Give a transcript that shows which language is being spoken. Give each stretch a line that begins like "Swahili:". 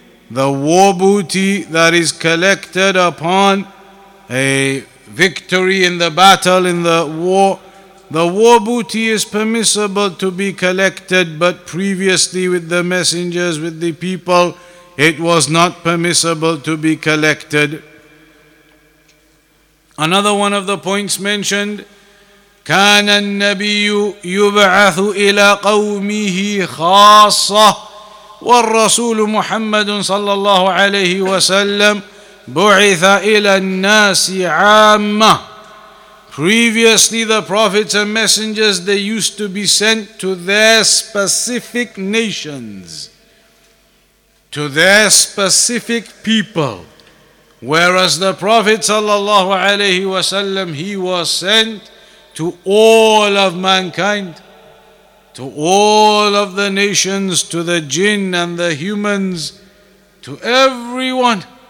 English: The war booty that is collected upon a victory in the battle, in the war, the war booty is permissible to be collected, but previously with the messengers, with the people, it was not permissible to be collected. Another one of the points mentioned,
Arabic: كان النبي يبعث إلى قومه خاصة والرسول محمد صلى الله عليه وسلم بعث إلى الناس عامة.
English: Previously, the prophets and messengers, they used to be sent to their specific nations, to their specific people. Whereas the Prophet sallallahu alayhi wasallam, he was sent to all of mankind, to all of the nations, to the jinn and the humans, to everyone.